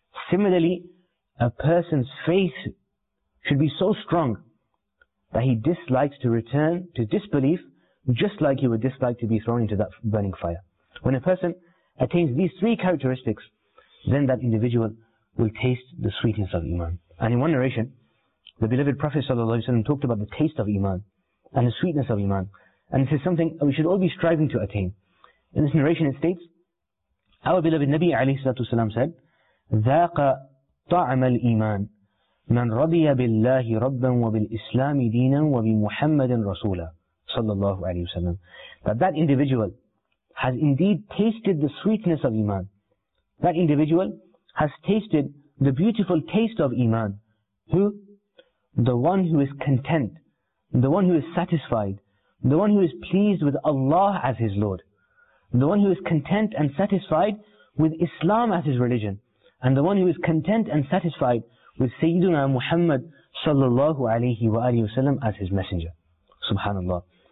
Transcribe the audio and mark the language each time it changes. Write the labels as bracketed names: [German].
[English] Similarly, a person's faith should be so strong that he dislikes to return to disbelief, just like he would dislike to be thrown into that burning fire. When a person attains these three characteristics, then that individual will taste the sweetness of Iman. And in one narration, the beloved Prophet ﷺ talked about the taste of Iman and the sweetness of Iman. And this is something we should all be striving to attain. [Arabic] In this narration it states, our beloved Nabi ﷺ said, ذَاقَ طَعْمَ الْإِيمَانِ مَنْ رَضِيَ بِاللَّهِ رَبًّا وَبِالْإِسْلَامِ دِينًا وَبِمُحَمَّدٍ رَسُولًا صلى الله عليه وسلم. [English] That individual has indeed tasted the sweetness of Iman. That individual has tasted the beautiful taste of Iman. Who? The one who is content, the one who is satisfied, the one who is pleased with Allah as his Lord, the one who is content and satisfied with Islam as his religion, and the one who is content and satisfied with Sayyiduna Muhammad sallallahu alayhi wa alayhi wa sallam as his messenger. Subhanallah.